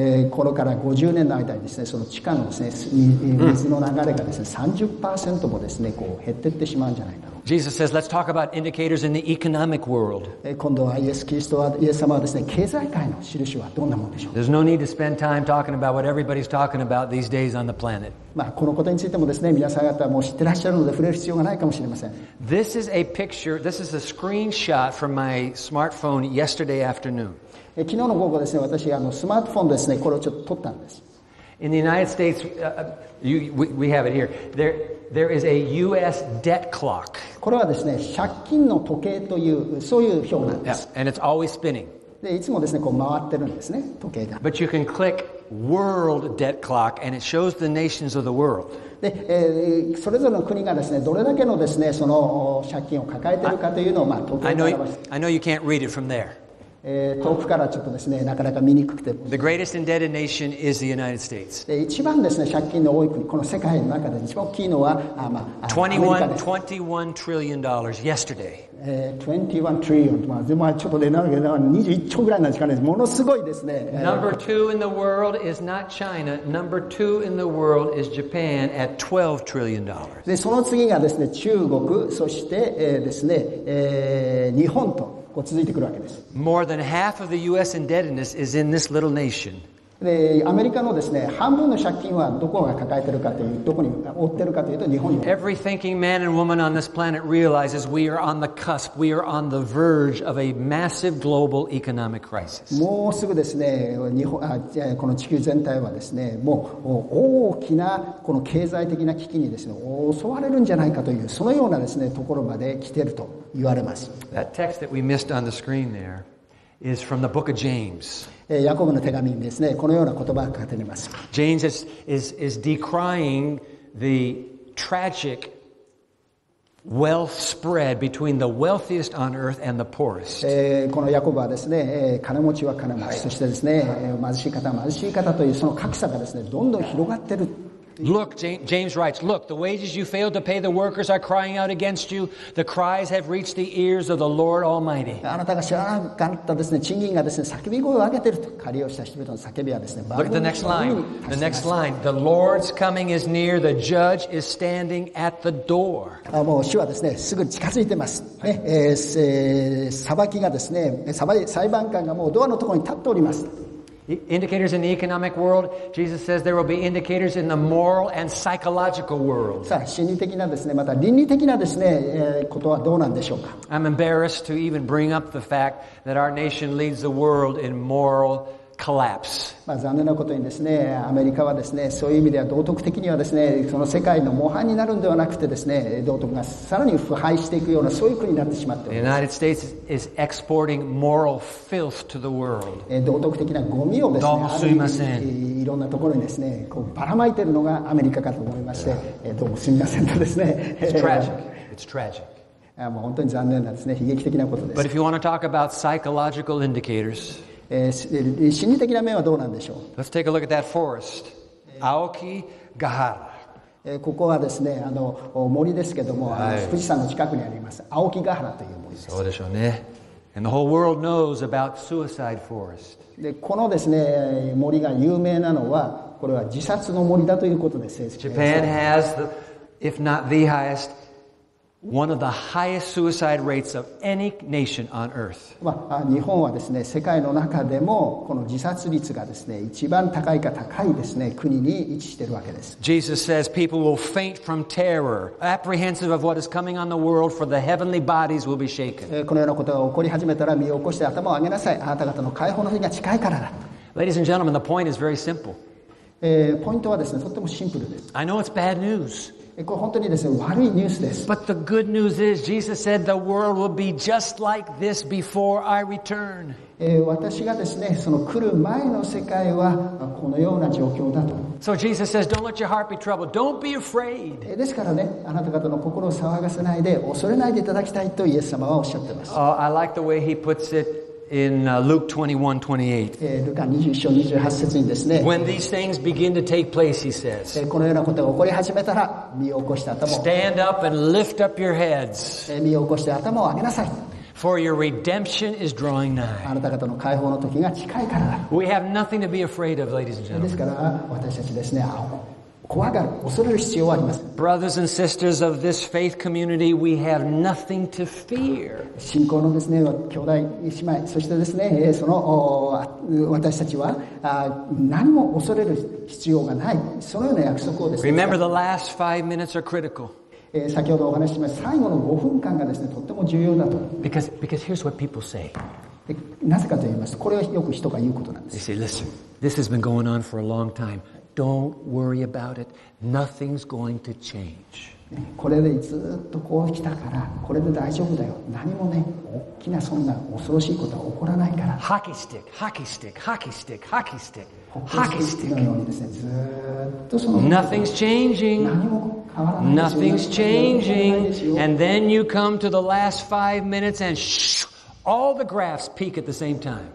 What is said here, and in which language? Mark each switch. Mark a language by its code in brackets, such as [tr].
[ja] このから50年の間にですね、その地下のですね、水の流れがですね、30% もですね、こう減ってってしまうんじゃないか。 [en] Jesus says, let's talk about indicators in the economic world. [ja] 今度はイエス・キリストは、イエス様はですね、経済界の印はどんなものでしょう? [en] There's no need to spend time talking about what everybody's talking about these days on the planet. [ja] まあ、このことについてもですね、皆さん方はもう知ってらっしゃるので触れる必要がないかもしれません。 [en] This is a picture, this is a screenshot from my smartphone yesterday afternoon. [ja] 昨日の午後ですね、私がスマートフォンですね、これをちょっと撮ったんです。 [en] In the United States, we have it here. There is a U.S. debt clock. [ja] これはですね、借金の時計という、そういう表なんです。 [en] Yeah, and it's always spinning. [ja] で、いつもですね、こう回ってるんですね、時計が。 [en] But you can click world debt clock and it shows the nations of the world. [ja] で、それぞれの国がですね、どれだけのですね、その借金を抱えてるかというのを、まあ、時計が表す。 [en] I know you can't read it from there. [ja] 遠くからちょっとですね、なかなか見にくくて。 [en] The greatest indebted nation is the United States. [ja] 一番ですね、借金の多い国、この世界の中で一番大きいのは、まあ、アメリカです。 [en] 21 trillion dollars yesterday. 21 trillion. [ja] まあ、でもちょっと出ながら、21兆ぐらいなんですかね。ものすごいですね。 [en] Number two in the world is not China. Number two in the world is Japan at 12 trillion dollars. [ja] で、その次がですね、中国、そして、ですね、日本と。こう続いてくるわけです。 [en] More than half of the U.S. indebtedness is in this little nation. [ja] で、アメリカのですね、半分の借金はどこが抱えてるかという、どこに負ってるかというと日本に。 [en] Every thinking man and woman on this planet realizes we are on the cusp, we are on the verge of a massive global economic crisis. [ja] もうすぐですね、日本、この地球全体はですね、もう大きなこの経済的な危機にですね、襲われるんじゃないかというそのようなですね、ところまで来てると。言われます。 [en] That text that we missed on the screen there is from the book of James. [ja] ヤコブの手紙にですね、このような言葉が書かれています。 [en] James is decrying the tragic wealth spread between the wealthiest on earth and the poorest. [ja] このヤコブはですね、金持ちは金持ち、そしてですね、貧しい方は貧しい方というその格差がですね、どんどん広がってる。 [en] Look, James writes, look, the wages you failed to pay the workers are crying out against you. The cries have reached the ears of the Lord Almighty. [ja] あなたが知らなかったですね、賃金がですね、叫び声を上げていると、借りをした人々の叫びはですね、 [en] Look at the next line. The next line. The Lord's coming is near. The judge is standing at the door. [ja] もう主はですね、すぐ近づいてます。ね、裁きがですね、裁判官がもうドアのところに立っております。 [en] Indicators in the economic world, Jesus says there will be indicators in the moral and psychological world. [ja] さあ、心理的なですね、また倫理的なですね、ことはどうなんでしょうか? [en] I'm embarrassed to even bring up the fact that our nation leads the world in moral collapse. [ja] まあ、残念なことにですね、アメリカはですね、そういう意味では道徳的にはですね、その世界の模範になるんではなくてですね、道徳がさらに腐敗していくようなそういう国になってしまっております。 [en] The United States is exporting moral filth to the world. [ja] 道徳的なゴミをですね、どうもすみません。いろんなところにですね、こうばらまいてるのがアメリカかと思いまして、どうもすみませんとですね。 [en] It's tragic. It's tragic. [ja] もう本当に残念なですね、悲劇的なことです。 [en] But if you want to talk about psychological indicators, [ja] 心理的な面はどうなんでしょう。 [en] Let's take a look at that forest. 青木ヶ原。 [ja] ここはですね、あの森ですけども、はい、富士山の近くにあります青木ヶ原という森です。そうでしょうね。 [en] And the whole world knows about suicide forest. [ja] でこのですね、森が有名なのはこれは自殺の森だということです。 [en] Japan has the, if not the highest, one of the highest suicide rates of any nation on earth. [ja] 日本はですね、世界の中でもこの自殺率がですね、一番高いか高いですね、国に位置しているわけです。 [en] Jesus says people will faint from terror, apprehensive of what is coming on the world, for the heavenly bodies will be shaken. [ja] このようなことが起こり始めたら身を起こして頭を上げなさい。あなた方の解放の日が近いからだ。 [en] Ladies and gentlemen, the point is very simple. [ja] ポイントはですね、とってもシンプルです。 [en] I know it's bad news. [ja] これ本当にですね、悪いニュースです。 [en] But the good news is, Jesus said the world will be just like this before I return. [ja] 私がですね、その来る前の世界はこのような状況だと。 [en] So Jesus says, don't let your heart be troubled. Don't be afraid. [ja] ですからね、あなた方の心を騒がせないで、恐れないでいただきたいとイエス様はおっしゃってます。 [en] I like the way he puts it. In Luke 21:28, when these things begin to take place, he says, [ja] このようなことが起こり始めたら、身を起こして頭を。 [en] Stand up and lift up your heads. [ja] 身を起こして頭を上げなさい。 [en] For your redemption is drawing nigh. [ja] あなた方の解放の時が近いからだ。 [en] We have nothing to be afraid of, ladies and gentlemen. [ja] ですから、私たちですね、怖がる、恐れる必要はありません。 [en] Brothers and sisters of this faith community, we have nothing to fear. [ja] 信仰のですね、兄弟姉妹、そしてですね、その私たちは何も恐れる必要がない。そのような約束をですね。 [en] Remember, the last five minutes are critical. [ja] 先ほどお話ししました最後の5分間がですね、とっても重要だと。 [en] Because here's what people say. [ja] なぜかと言いますと、これはよく人が言うことなんです。 [en] They say, listen, this has been going on for a long time. Don't worry about it. Nothing's going to change. [ja] これでずっとこう来たから、これで大丈夫だよ。何もね、大きなそんな恐ろしいことは起こらないから。 [en] Hockey stick, hockey stick, hockey stick, hockey stick, hockey stick. [ja] のようにですね、ずっとその。 [en] Nothing's changing. [ja] 何も変わらない。 [en] Nothing's changing. And then you come to the last five minutes and shoo, all the graphs peak at the same time.